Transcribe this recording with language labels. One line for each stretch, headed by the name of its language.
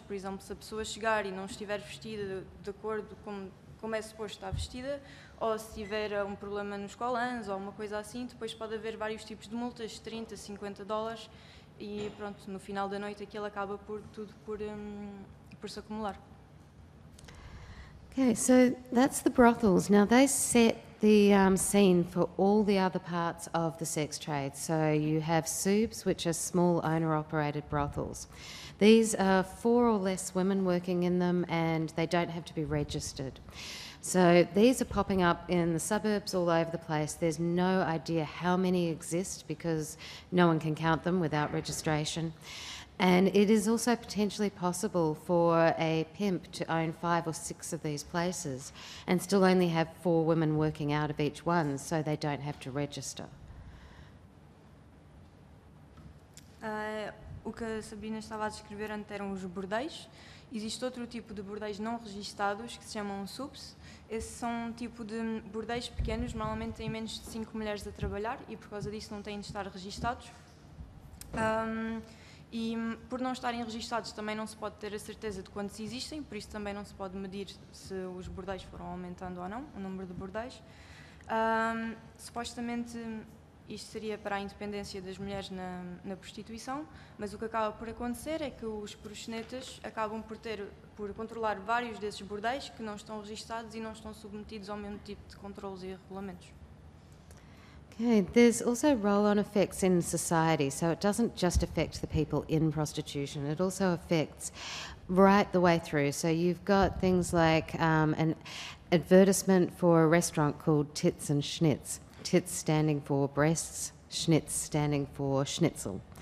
Portuguese: Por exemplo, se a pessoa chegar e não estiver vestida de acordo com como é suposto estar vestida, ou se tiver um problema nos colãs ou alguma coisa assim, depois pode haver vários tipos de multas, 30, 50 dólares, e pronto, no final da noite aquilo acaba por se acumular.
English: Okay, so that's the brothels. Now they set the scene for all the other parts of the sex trade. So you have SOOBs, which are small owner-operated brothels. These are four or less women working in them and they don't have to be registered. So these are popping up in the suburbs all over the place. There's no idea how many exist because no one can count them without registration. And it is also potentially possible for a pimp to own five or six of these places and still only have four women working out of each one, so they don't have to register.
Portuguese: O que a Sabrina estava a descrever antes eram os bordéis. Existe outro tipo de bordéis não registados, que se chamam SUPs. Esses são um tipo de bordéis pequenos, normalmente têm menos de 5 mulheres a trabalhar e por causa disso não têm de estar registados. E por não estarem registados também não se pode ter a certeza de quantos existem, por isso também não se pode medir se os bordéis foram aumentando ou não, o número de bordéis. Supostamente isto seria para a independência das mulheres na prostituição, mas o que acaba por acontecer é que os proxenetas acabam por controlar vários desses bordéis que não estão registados e não estão submetidos ao mesmo tipo de controlos e regulamentos.
English: Okay, there's also roll-on effects in society, so it doesn't just affect the people in prostitution, it also affects right the way through. So you've got things like an advertisement for a restaurant called Tits and Schnitz. Tits standing for breasts, schnitz standing for schnitzel.